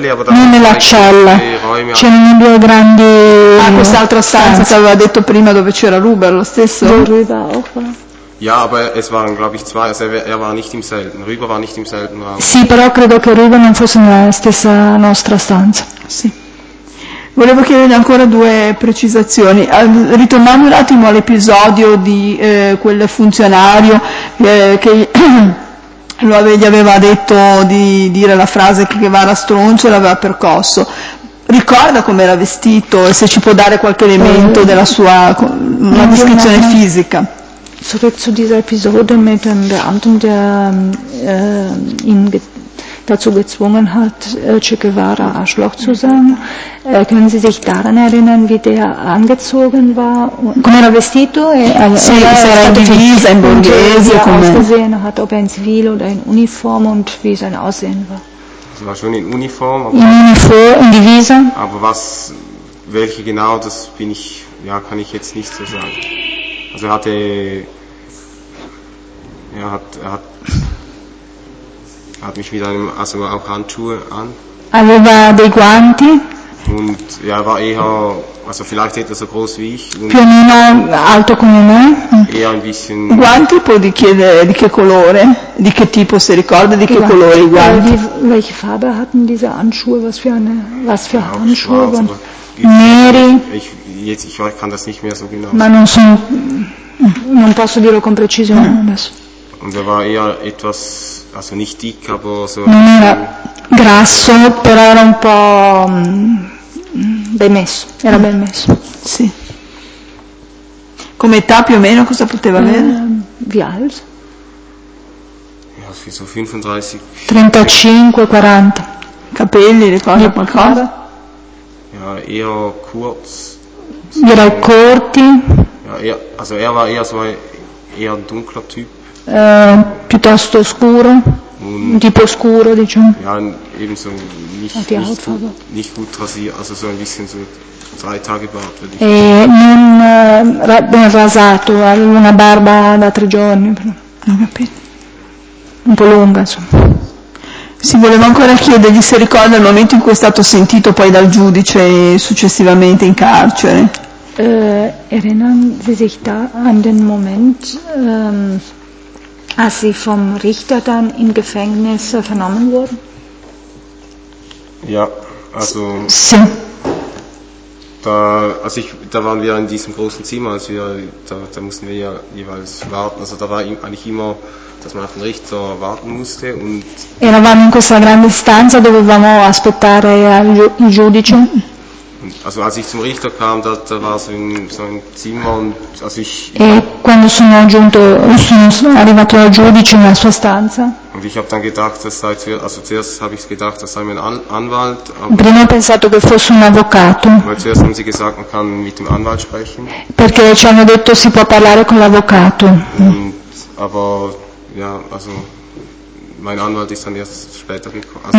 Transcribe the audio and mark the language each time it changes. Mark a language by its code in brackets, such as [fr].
[it] Non nella cella, c'erano due grandi. Ah, quest'altra stanza, ti aveva detto prima dove c'era Ruben, lo stesso. [de] Ruben, auch. Ja, aber es waren, glaube ich, zwei. Also er war nicht im selben. Ruben war nicht im selben Raum. [it] Sì, però credo che Ruben non fosse nella stessa nostra stanza. Sì. Volevo chiedere ancora due precisazioni. Ritornando un attimo all'episodio di quel funzionario che. Gli aveva detto di dire la frase che va alla stronzo e l'aveva percosso. Ricorda come era vestito e se ci può dare qualche elemento della sua una descrizione fisica. [de] Zurück zu dieser Episode mit dem Beamten, der ihn dazu gezwungen hat, Che Guevara Arschloch zu sagen. Können Sie sich daran erinnern, wie der angezogen war? [it] Come era vestito? Sì, se era in divisa, in borghese, come? [de] Wie er ausgesehen hat, ob er in Zivil oder in Uniform und wie sein Aussehen war. Es war schon in Uniform. [it] In divisa. [de] Aber was, welche genau, das bin ich, ja, kann ich jetzt nicht so sagen. Also er hat hat mich mit einem, also auch Handschuhe an. [it] Aveva dei guanti. [de] Und ja, war eher, also vielleicht etwa so groß wie ich. [it] Più o meno alto come me. [de] Eher ein bisschen. [it] Guanti, poi di chiedere di che colore, di che tipo si ricorda, di che colore i guanti. [de] Welche Farbe hatten diese Handschuhe? Was für Handschuhe? [it] Neri. [de] jetzt, ich kann das nicht mehr so genau. [it] Ma non so, non posso dirlo con precisione adesso. [de] Und er war eher etwas, also nicht dick, aber so. [it] Non era grasso, però era un po' ben messo, era ben messo. Sì. Come età più o meno cosa poteva avere? [de] Wie alt? Ja, so 35. 35, 40. [it] Capelli, ricordi qualcosa? [de] Ja, eher kurz. [it] Era corti. [de] Ja, also er war eher so ein eher dunkler Typ. [it] Piuttosto scuro. Un tipo scuro, diciamo. [de] Ja, ebenso nicht gut rasiert, also so ein bisschen so drei Tage Bart. [it] E non ben rasato, aveva una barba da tre giorni, però. Non capito. Un po' lunga, insomma. Sì, volevo ancora chiedergli se ricorda il momento in cui è stato sentito poi dal giudice successivamente in carcere. [de] Erinnern Sie sich da an den Moment, als Sie vom Richter dann im Gefängnis vernommen wurden? Ja, also. [it] Sì. [de] Da waren wir in diesem großen Zimmer, also da mussten wir ja jeweils warten. Also da war eigentlich immer, dass man auf den Richter warten musste. Und [it] eravamo in questa grande stanza, dovevamo aspettare il giudice. [de] Also als ich zum Richter kam, da war so ein Zimmer und als ich. [it] E quando sono arrivato al giudice nella sua stanza. [de] Und ich habe dann gedacht, das sei zuerst habe ich gedacht, das sei mein Anwalt. [it] Prima ho pensato che fosse un avvocato. [de] Weil zuerst haben sie gesagt, man kann mit dem Anwalt sprechen. [it] Perché ci hanno detto si può parlare con l'avvocato. [de] Aber ja, also mein Anwalt ist dann erst später gekommen.